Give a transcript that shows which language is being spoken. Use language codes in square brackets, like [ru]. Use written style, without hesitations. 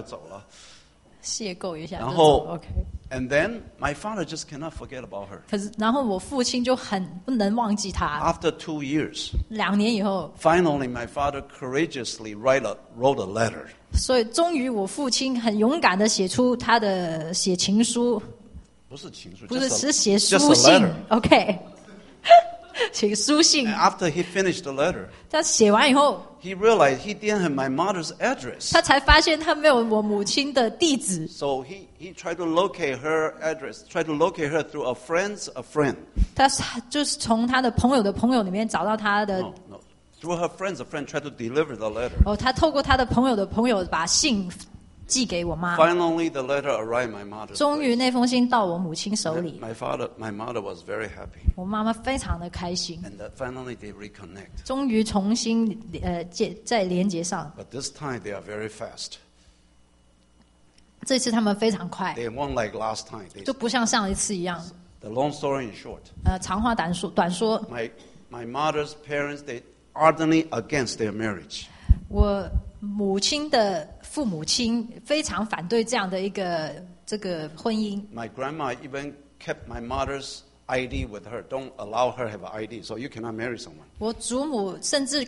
[zh] 太长了，我说我妈妈是一个非常活泼的一位女士，讲她，OK，继续。我妈妈长得又漂亮又活泼，然后她热心的帮助这个年轻的军官，OK，短短的罗曼史的一个邂逅一下就走了，邂逅一下，然后OK。 [en] And then my father just cannot forget about her. [zh] 可是然后我父亲就很不能忘记他。 [en] After 2 years, [zh] 2年以后, [en] finally my father courageously wrote a letter. [zh] 所以终于我父亲很勇敢地写出他的写情书。不是情书，就是写书信。 OK. 请书信。 [en] After he finished the letter, [zh] 他写完以后, [en] he realized he didn't have my mother's address. [zh] 他才发现他没有我母亲的地址。 [en] So he tried to locate her address, tried to locate her through a friend. [zh] 他就是从他的朋友的朋友里面找到他的。 [en] Through her friends, a friend tried to deliver the letter. [zh] 他透过他的朋友的朋友把信寄给我妈。 [en] Finally, the letter arrived my mother. [zh] 终于那封信到我母亲手里。 [en] My mother was very happy. [zh] 我妈妈非常的开心。 [en] And that finally they reconnect. [zh] 终于重新再连接上。 [en] But this time they are very fast. [zh] 这次他们非常快。 [en] They weren't like last time. [zh] 就不像上一次一样。 [en] The long story in short. [zh] 长话短说。 [en] My mother's parents, they ardently against their marriage. [zh] 我母亲的 父母亲非常反对这样的一个婚姻。 [en] My grandma even kept my mother's ID with her. Don't allow her to have an ID, so you cannot marry someone.